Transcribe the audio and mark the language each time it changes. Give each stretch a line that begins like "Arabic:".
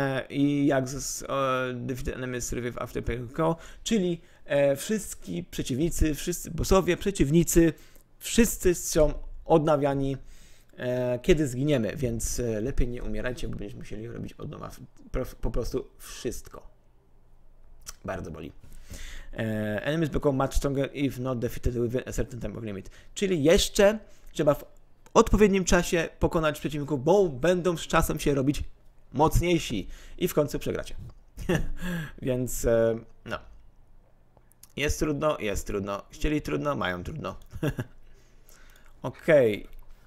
Polish: I jak
English: defeated enemies revive after pay go,
Polish: czyli wszyscy przeciwnicy, wszyscy bossowie, przeciwnicy, wszyscy są odnawiani, kiedy zginiemy, więc lepiej nie umierajcie, bo będziemy musieli robić od nowa po prostu wszystko. Bardzo boli.
English: Enemies become much stronger if not defeated within a certain time of limit.
Polish: Czyli jeszcze trzeba w odpowiednim czasie pokonać przeciwników, bo będą z czasem się robić mocniejsi i w końcu przegracie. Więc no. Jest trudno, jest trudno. Chcieli trudno, mają trudno. Okej. Okay.